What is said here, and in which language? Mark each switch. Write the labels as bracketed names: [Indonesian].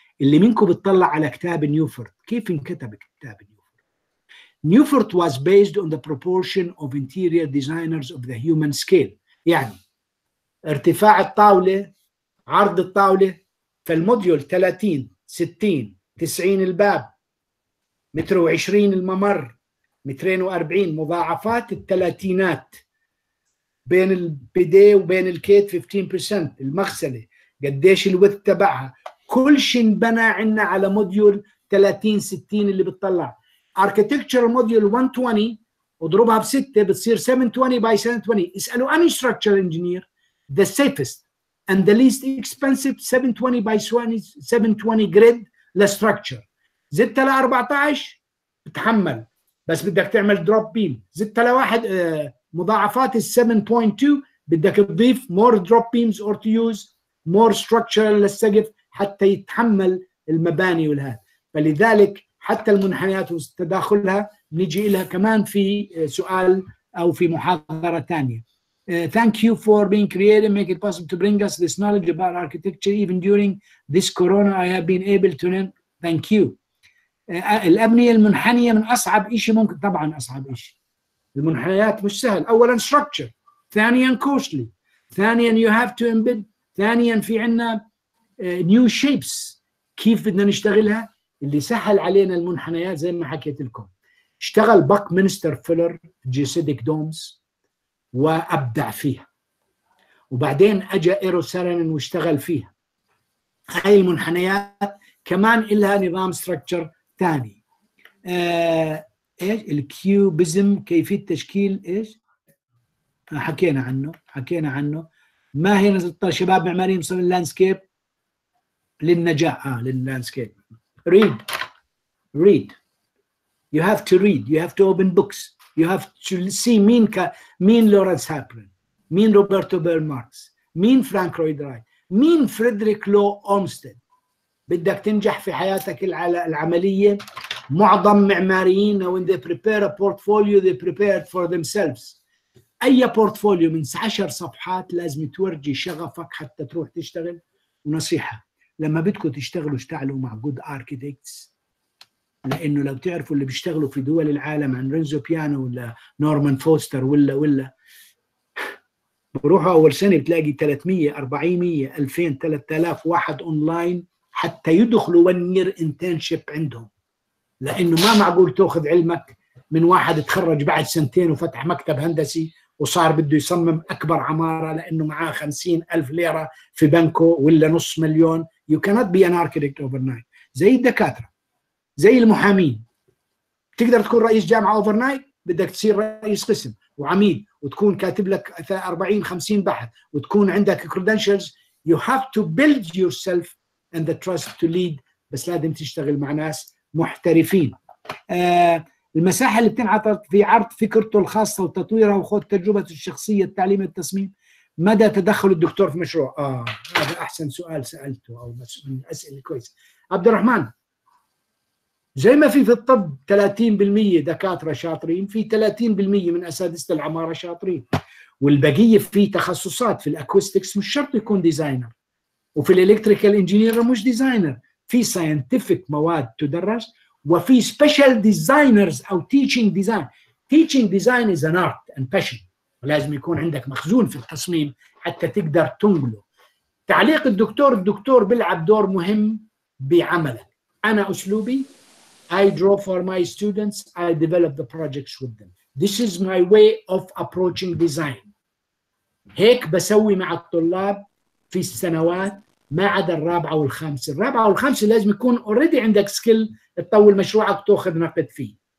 [Arabic] اللي منكم بتطلع على كتاب نيوفورت كيف انكتب كتاب نيوفورت. [English] Neufert was based on the proportion of interior designers of the human scale. [Arabic] يعني ارتفاع الطاولة عرض الطاولة فالموديول 30 60 90 الباب، متر و20 الممر، مترين و40 مضاعفات الثلاثينات بين البدي وبين الكيت 15%، المغسلة قديش الوث تبعها، كل شيء بنى عنا على موديول 30 60 اللي بتطلع اركتكتشر موديول 120 وضربها بستة بتصير 720 by 720. [English] اسألوا any structural engineer the safest and the least expensive 720 by 720 grid structure. [Arabic] زدت ل 14 بتحمل، بس بدك تعمل drop beam. زدت ل 1 مضاعفات 7.2 بدك تضيف [English] more drop beams or to use more structural [Arabic] للسقف حتى يتحمل المباني والهذا. فلذلك حتى المنحنيات وتداخلها نجي لها كمان في سؤال أو في محاضرة تانية. [English] Thank you for being creative, make it possible to bring us this knowledge about architecture. Even during this corona, I have been able to learn. Thank you. [Arabic] الأبنية المنحنية من أصعب إشي ممكن، طبعاً أصعب إشي. المنحنيات مش سهل. أولاً structure. ثانياً costly. ثانياً [English] you have to embed. [Arabic] ثانياً في عنا new shapes. كيف بدنا نشتغلها؟ اللي سهل علينا المنحنيات زي ما حكيت لكم. اشتغل باك مينستر فيلر جيسيديك دومز وابدع فيها، وبعدين اجى ايرو سيرنن واشتغل فيها. هاي المنحنيات كمان لها نظام ستراكشر ثاني. ايش الكيوبزم، كيفيه تشكيل ايش حكينا عنه، حكينا عنه. ما هي نظره شباب معماري مصمم لاندسكيب للنجاح؟ لللاندسكيب. [English] Read You have to read. You have to open books. You have to see mean Lawrence Halperin, mean Roberto Bell Marx, mean Frank Lloyd Wright, mean Frederick Law Olmsted. [Arabic] بدك تنجح في حياتك العملية. معظم معماريين [English] when they prepare a portfolio, they prepare it for themselves. [Arabic] أي portfolio من 10 صفحات لازم تورجي شغفك حتى تروح تشتغل. نصيحة: لما بدكوا تشتغلوا اشتغلوا مع [English] good architects. [Arabic] لانه لو تعرفوا اللي بيشتغلوا في دول العالم عن رينزو بيانو ولا نورمان فوستر ولا بروحوا اول سنه بتلاقي 300 400 2000 3000 واحد اونلاين حتى يدخلوا ونير انترنشيب عندهم، لانه ما معقول تاخذ علمك من واحد تخرج بعد سنتين وفتح مكتب هندسي وصار بده يصمم اكبر عماره لانه معاه 50,000 ليره في بنكه ولا نص مليون. يو كانت بي ان اركيتكت اوفرنايت. زي الدكاتره، زي المحامين، تقدر تكون رئيس جامعة أوفرنايت؟ بدك تصير رئيس قسم وعميد وتكون كاتب لك 40-50 بحث وتكون عندك credentials. [English] You have to build yourself and the trust to lead. [Arabic] بس لازم تشتغل مع ناس محترفين. المساحة اللي بتنعطت في عرض فكرته الخاصة وتطويرها وخذ تجربة الشخصية التعليم التصميم، مدى تدخل الدكتور في مشروع؟ هذا أحسن سؤال سألته أو أسئلة كويس. عبد الرحمن، زي ما في الطب 30% دكاترة شاطرين، في 30% من أساتذة العمارة شاطرين، والبقية في تخصصات. في الأكوستيكس مش شرط يكون ديزاينر، وفي الإلكتريكال إنجينير مش ديزاينر، في ساينتيفيك مواد تدرس، وفي سبيشال ديزاينرز أو تيتشينج ديزاين. تيتشينج ديزاين [English] is an art and passion، [Arabic] ولازم يكون عندك مخزون في التصميم حتى تقدر تنقله. تعليق الدكتور، الدكتور بيلعب دور مهم بعملك. أنا أسلوبي [English] I draw for my students, I develop the projects with them. This is my way of approaching design. [Arabic] هيك بسوي مع الطلاب في السنوات ما عدا الرابعة والخامسة. الرابعة والخامسة لازم يكون already عندك سكيل تطول مشروعك تأخذ نقد فيه.